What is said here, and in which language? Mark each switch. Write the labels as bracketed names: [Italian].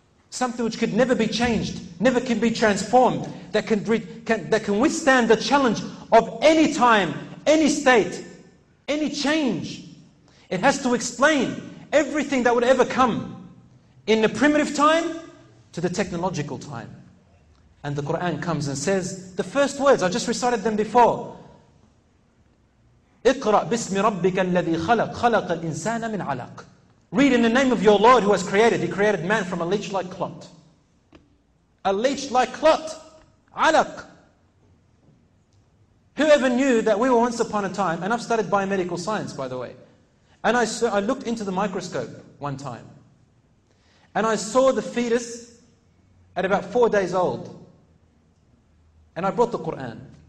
[English] Something which could never be changed, never can be transformed, that can withstand the challenge of any time, any state, any change. It has to explain everything that would ever come in the primitive time to the technological time. And the Quran comes and says, the first words, I just recited them before, [Arabic] اقرأ باسم ربك الذي خلق خلق الإنسان من علق. [English] Read in the name of your Lord who has created. He created man from a leech-like clot. A leech-like clot. علق. Whoever knew that we were once upon a time, and I've studied biomedical science, by the way, and I looked into the microscope one time, and I saw the fetus at about 4 days old, and I brought the Quran.